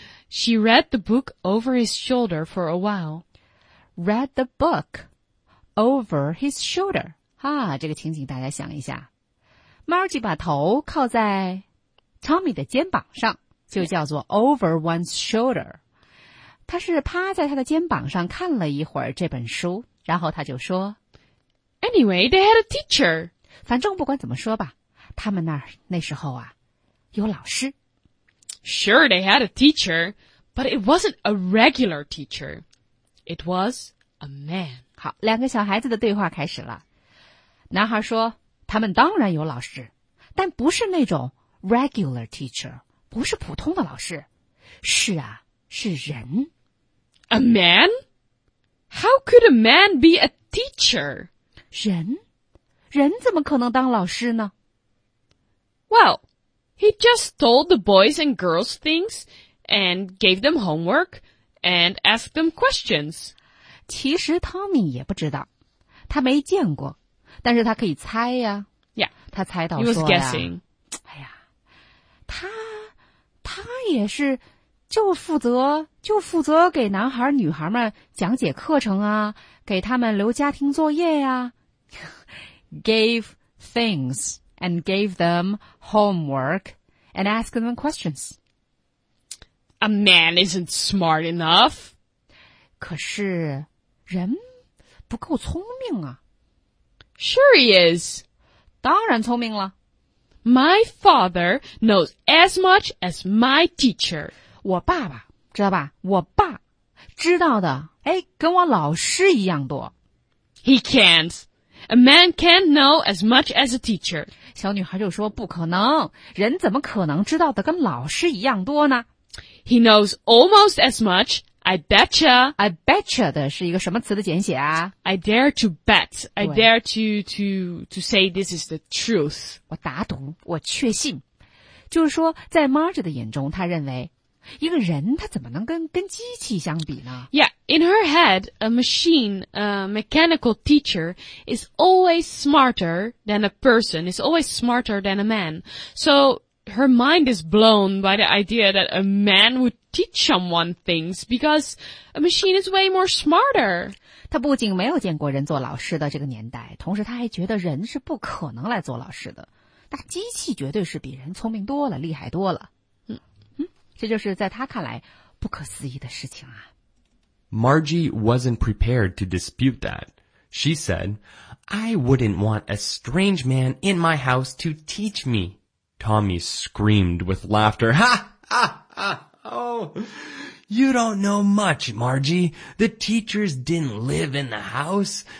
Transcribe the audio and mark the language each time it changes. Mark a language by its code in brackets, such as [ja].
[en] She read the book over his shoulder for a while. Read the book over his shoulder. [zh] 啊，这个情景大家想一下。 Margie 把头靠在 Tommy 的肩膀上，就叫做 [en] over one's shoulder。 [zh] 他是趴在他的肩膀上看了一会儿这本书，然后他就说 [en] Anyway, they had a teacher. [zh] 反正不管怎么说吧，他们那儿那时候啊有老师。 [en] Sure, they had a teacher, but it wasn't a regular teacher. It was a man. [zh] 好，两个小孩子的对话开始了。男孩说他们当然有老师，但不是那种 [en] regular teacher, [zh] 不是普通的老师。是啊，是人。 [en] A man? How could a man be a teacher? [zh] 人？人怎么可能当老师呢？ [en] Well, he just told the boys and girls things and gave them homework and asked them questions. [zh] 其实 Tommy 也不知道，他没见过，但是他可以猜呀。他猜到说呀，哎呀，他也是就负责给男孩女孩们讲解课程啊，给他们留家庭作业呀。 [en] Gave things and gave them homework and asked them questions. A man isn't smart enough. [zh] 可是人不够聪明啊。 [en] Sure he is. [zh] 当然聪明了。 [en] My father knows as much as my teacher. [zh] 我爸爸，知道吧？我爸知道的，哎，跟我老师一样多。 [en] He can't. A man can't know as much as a teacher. [zh] 小女孩就说不可能，人怎么可能知道的跟老师一样多呢？ [en] He knows almost as much, I betcha. I betcha [zh] 的是一个什么词的简写啊？ [en] I dare to bet. I dare to say this is the truth. [zh] 我打赌，我确信，就是说，在 Marge 的眼中，他认为一个人他怎么能跟机器相比呢？ [en] Yeah, in her head, a machine, a mechanical teacher is always smarter than a person. Is always smarter than a man. So her mind is blown by the idea that a man would teach someone things because a machine is way more smarter. [zh] 他不仅没有见过人做老师的这个年代，同时他还觉得人是不可能来做老师的，那机器绝对是比人聪明多了，厉害多了。这就是在他看来不可思议的事情啊。 [en] Margie wasn't prepared to dispute that. She said, I wouldn't want a strange man in my house to teach me. Tommy screamed with laughter. Ha! Ha! Ha! Oh! You don't know much, Margie. The teachers didn't live in the house.